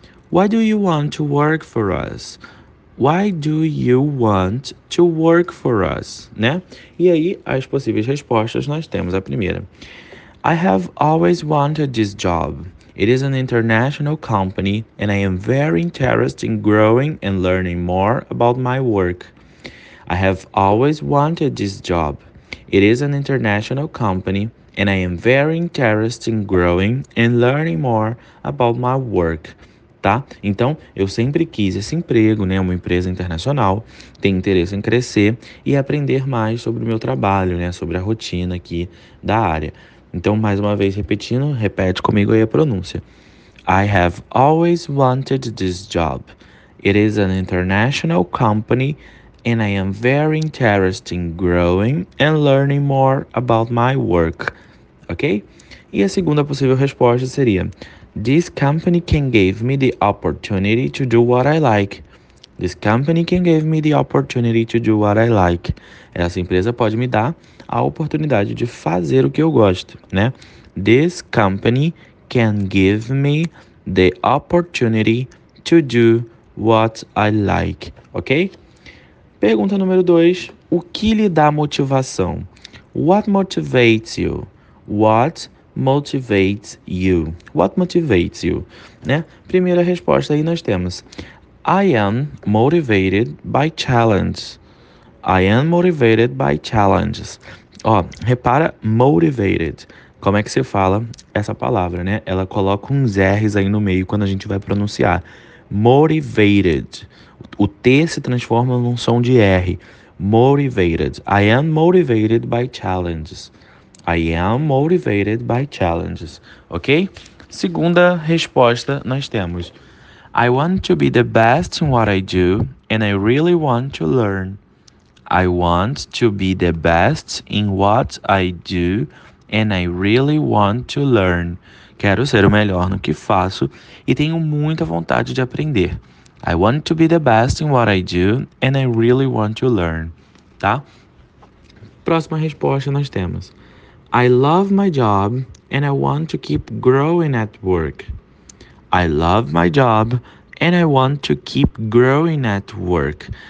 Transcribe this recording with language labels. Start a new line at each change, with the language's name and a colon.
English: Why do you want to work for us? Why do you want to work for us?
Portuguese: Né? E aí, as possíveis respostas, nós temos a primeira.
English: I have always wanted this job. It is an international company and I am very interested in growing and learning more about my work. I have always wanted this job. It is an international company and I am very interested in growing and learning more about my work.
Portuguese: Tá? Então, eu sempre quis esse emprego, né? Uma empresa internacional, tenho interesse em crescer e aprender mais sobre o meu trabalho, né? Sobre a rotina aqui da área. Então, mais uma vez repetindo, repete comigo aí a pronúncia.
English: I have always wanted this job. It is an international company and I am very interested in growing and learning more about my work. Ok?
Portuguese: E a segunda possível resposta seria:
English: This company can give me the opportunity to do what I like. This company can give me the opportunity to do what I like.
Portuguese: Essa empresa pode me dar a oportunidade de fazer o que eu gosto, né?
English: This company can give me the opportunity to do what I like, ok?
Portuguese: Pergunta número 2, o que lhe dá motivação?
English: What motivates you? What motivates you? What motivates you?
Portuguese: Né? Primeira resposta aí nós temos:
English: I am motivated by challenges. I am motivated by challenges.
Portuguese: Ó, repara, motivated. Como é que se fala essa palavra, né? Ela coloca uns R's aí no meio quando a gente vai pronunciar. Motivated. O T se transforma num som de R.
English: Motivated. I am motivated by challenges. I am motivated by challenges. Ok?
Portuguese: Segunda resposta nós temos:
English: I want to be the best in what I do and I really want to learn. I want to be the best in what I do and I really want to learn.
Portuguese: Quero ser o melhor no que faço e tenho muita vontade de aprender.
English: I want to be the best in what I do and I really want to learn. Tá?
Portuguese: Próxima resposta nós temos:
English: I love my job and I want to keep growing at work. I love my job and I want to keep growing at work.